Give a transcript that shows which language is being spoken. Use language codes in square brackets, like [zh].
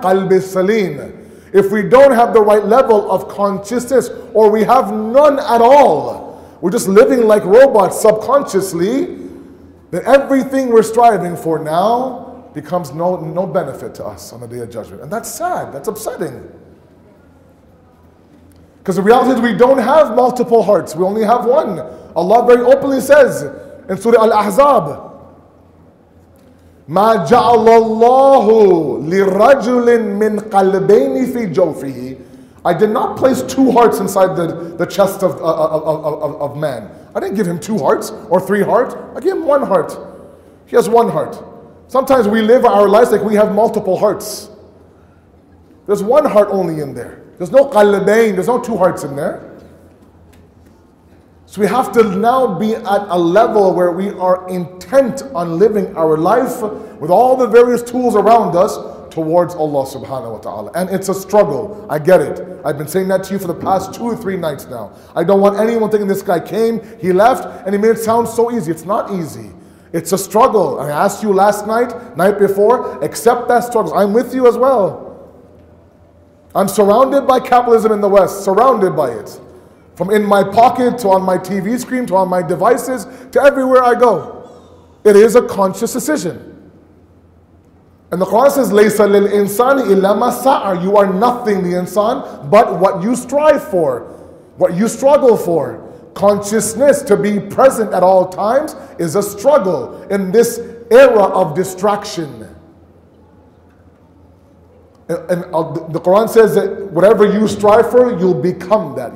[en] Qalb salim. If we don't have the right level of consciousness, or we have none at all, we're just living like robots subconsciously, then everything we're striving for now becomes no benefit to us on the Day of Judgment. And that's sad. That's upsetting. Because the reality is we don't have multiple hearts. We only have one. Allah very openly says, in Surah Al-Ahzab, [ar] مَا جَعَلَ اللَّهُ لِرَجُلٍ مِّنْ قَلْبَيْنِ فِي جَوْفِهِ. [en] I did not place two hearts inside the chest of man. I didn't give him two hearts or three hearts. I gave him one heart. He has one heart. Sometimes we live our lives like we have multiple hearts. There's one heart only in there. There's no قَلْبَيْن, there's no two hearts in there. So we have to now be at a level where we are intent on living our life with all the various tools around us towards Allah subhanahu wa ta'ala. And it's a struggle. I get it. I've been saying that to you for the past two or three nights now. I don't want anyone thinking this guy came, he left, and he made it sound so easy. It's not easy. It's a struggle. I asked you last night, night before, accept that struggle. I'm with you as well. I'm surrounded by capitalism in the West, surrounded by it. From in my pocket, to on my TV screen, to on my devices, to everywhere I go. It is a conscious decision. And the Quran says, [ar] لَيْسَ لِلْإِنسَانِ إِلَّا مَا سَعَى. [en] You are nothing, the insan, but what you strive for, what you struggle for. Consciousness, to be present at all times, is a struggle in this era of distraction. And the Quran says that whatever you strive for, you'll become that.